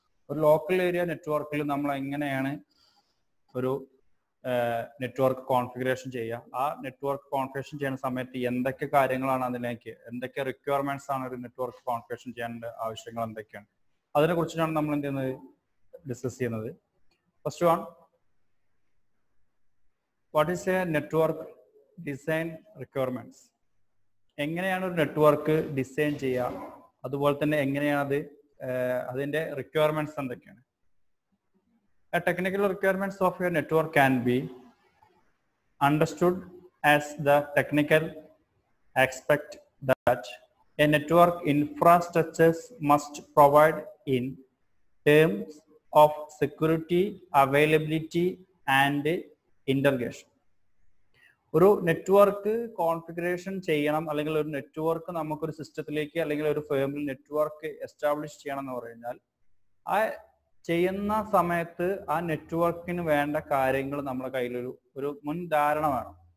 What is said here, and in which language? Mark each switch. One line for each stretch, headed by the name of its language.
Malayalam: ഒരു local area നെറ്റ്വർക്കിൽ നമ്മൾ എങ്ങനെയാണ് ഒരു നെറ്റ്വർക്ക് കോൺഫിഗറേഷൻ ചെയ്യുക, ആ നെറ്റ്വർക്ക് കോൺഫിഗറേഷൻ ചെയ്യുന്ന സമയത്ത് എന്തൊക്കെ കാര്യങ്ങളാണ് അതിലേക്ക്, എന്തൊക്കെ റിക്വയർമെന്റ്സ് ആണ് ഒരു നെറ്റ്വർക്ക് കോൺഫിഗറേഷൻ ചെയ്യാനുള്ള ആവശ്യങ്ങൾ എന്തൊക്കെയാണ്, അതിനെ കുറിച്ചിട്ടാണ് നമ്മൾ എന്ത് ചെയ്യുന്നത് ഡിസ്കസ് ചെയ്യുന്നത്.
English: first one, what is a network design requirements,
Malayalam: എങ്ങനെയാണ് ഒരു നെറ്റ്വർക്ക് ഡിസൈൻ ചെയ്യുക, അതുപോലെ തന്നെ എങ്ങനെയാണ് അതിന്റെ റിക്വയർമെന്റ്സ് എന്തൊക്കെയാണ്.
English: A technical requirements of your network can be understood as the technical aspect that a network infrastructures must provide in terms of security, availability and integration.
Malayalam: ഒരു network configuration ചെയ്യണം, അല്ലെങ്കിൽ ഒരു നെറ്റ്വർക്ക് നമുക്കൊരു സിസ്റ്റത്തിലേക്ക് അല്ലെങ്കിൽ ഒരു ഫേമിൽ നെറ്റ്വർക്ക് എസ്റ്റാബ്ലിഷ് ചെയ്യണം എന്ന് പറഞ്ഞാൽ, ആ ചെയ്യുന്ന സമയത്ത് ആ നെറ്റ്വർക്കിന് വേണ്ട കാര്യങ്ങൾ നമ്മുടെ കയ്യിലൊരു ഒരു മുൻധാരണ വേണം.